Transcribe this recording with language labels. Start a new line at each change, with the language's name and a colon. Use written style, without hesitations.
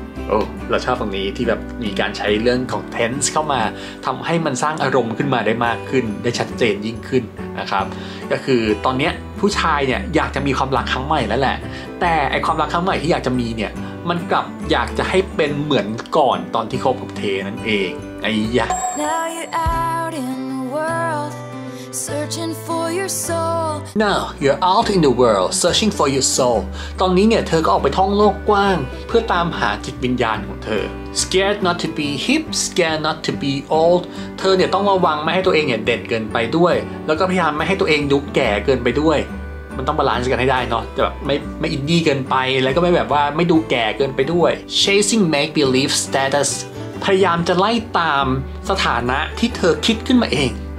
Thai: โอ้เราชอบตรงนี้ที่แบบมีการใช้เรื่องของ tense เข้ามาทำให้มันสร้างอารมณ์ขึ้นมาได้มากขึ้นได้ชัดเจนยิ่งขึ้นนะครับก็คือตอนนี้ผู้ชายเนี่ยอยากจะมีความรักครั้งใหม่แล้วแหละแต่ไอความรักครั้งใหม่ที่อยากจะมีเนี่ยมันกลับอยากจะให้เป็นเหมือนก่อนตอนที่คบกับเธอนั่นเองไอ้ยะ
English: Now you're out in the world searching for your soul. No, you're out in the world searching for your soul.
Thai: ตอนนี้เนี่ยเธอก็ออกไปท่องโลกกว้างเพื่อตามหาจิตวิญญาณของเธอ
English: Scared not to be hip, scared not to be old.
Thai: เธอเนี่ยต้องระวังไม่ให้ตัวเองเนี่ยเด็กเกินไปด้วยแล้วก็พยายามไม่ให้ตัวเองดูแก่เกินไปด้วยมันต้องบาลานซ์กันให้ได้เนาะจะแบบไม่อินดี้เกินไปแล้วก็ไม่แบบว่าไม่ดูแก่เกินไปด้วย
English: Chasing make believe status
Thai: พยายามจะไล่ตามสถานะที่เธอคิดขึ้นมาเอง